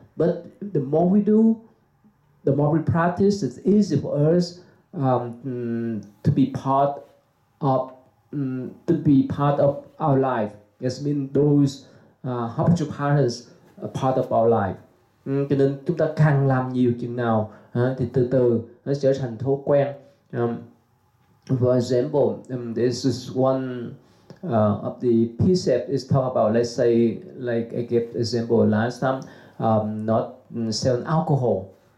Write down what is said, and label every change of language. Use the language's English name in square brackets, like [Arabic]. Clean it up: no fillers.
[English] But the more we do, the more we practice, it's easy for us to be part of our life. It's been those habitual patterns a part of our life. [Vietnamese] Cho nên chúng ta càng làm nhiều chừng nào thì từ từ nó trở thành thói quen. [English] For example, this is one of the precept is talk about, let's say, like I gave example last time, not selling alcohol.